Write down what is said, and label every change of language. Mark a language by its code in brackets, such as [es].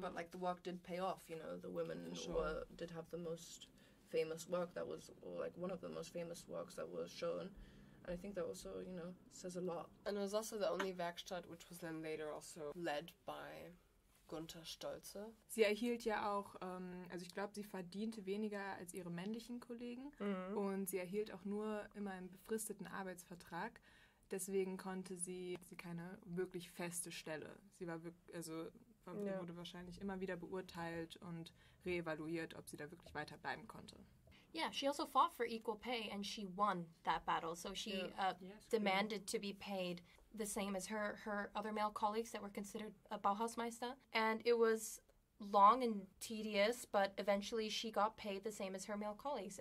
[en] But, like, the work did pay off, you know, the women did have the most famous work that was, like, one of the most famous works that was shown. And I think that also, you know, says a lot. And it was also the only Werkstatt, which was then later also led by Gunther Stolze. [de] Sie erhielt ja auch, also ich glaube, sie verdiente weniger als ihre männlichen Kollegen. Mhm. Und sie erhielt auch nur immer einen befristeten Arbeitsvertrag. Deswegen konnte sie keine wirklich feste Stelle. Sie war wirklich, also wurde wahrscheinlich immer wieder beurteilt und reevaluiert, ob sie da wirklich weiter bleiben konnte. [en] Yeah, she also fought for equal pay and she won that battle. So she demanded to be paid the same as her other male colleagues that were considered a Bauhausmeister. And it was long and tedious, but eventually she got paid the same as her male colleagues.